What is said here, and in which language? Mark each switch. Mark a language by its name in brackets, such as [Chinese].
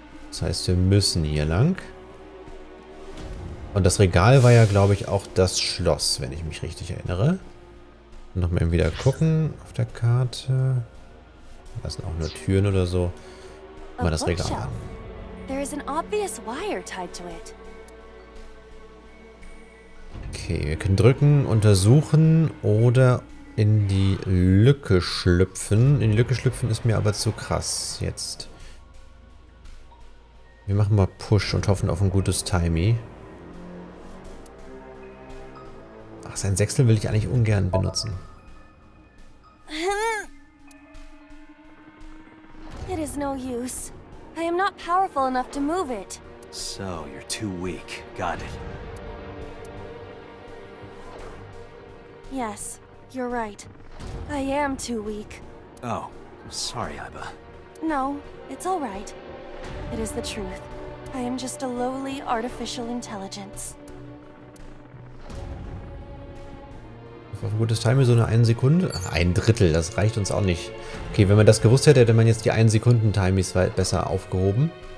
[German] Das heißt, wir müssen hier lang. Und das Regal war ja, glaube ich, auch das Schloss, wenn ich mich richtig erinnere. Nochmal eben wieder gucken auf der Karte. Da sind auch nur Türen oder so. Mal das Regal an. [English] There is an obvious wire tied to it. [German] Okay, wir können drücken, untersuchen oder in die Lücke schlüpfen. In die Lücke schlüpfen ist mir aber zu krass jetzt. Wir machen mal Push und hoffen auf ein gutes Timey. Ach, sein Sechsel will ich eigentlich ungern benutzen. [English] It is no use. I am not powerful enough to move it. So, you're too weak. Got it. Yes, you're right. I am too weak. Oh, sorry, Iba. No, it's all right. It is the truth. I am just a lowly artificial intelligence. [German] Auf ein gutes Timing, so eine 1 Sekunde. Ein Drittel, das reicht uns auch nicht. Okay, wenn man das gewusst hätte, hätte man jetzt die 1 Sekunden Timings besser aufgehoben.